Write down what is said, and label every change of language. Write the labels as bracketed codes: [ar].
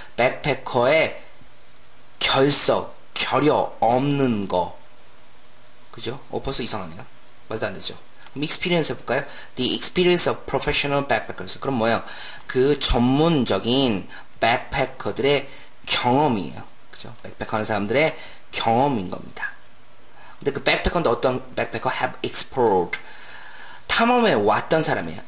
[ko] 백패커의 결석, 결여 없는 거. 그죠? 벌써 이상하네요. 말도 안 되죠. 그럼 experience 해볼까요? [en] The experience of professional backpackers. [ko] 그럼 뭐예요? 그 전문적인 backpacker들의 경험이에요. 그죠? backpacker 하는 사람들의 경험인 겁니다. 근데 그 backpacker인데 어떤 backpacker [en] have explored. [ko] 탐험에 왔던 사람이에요.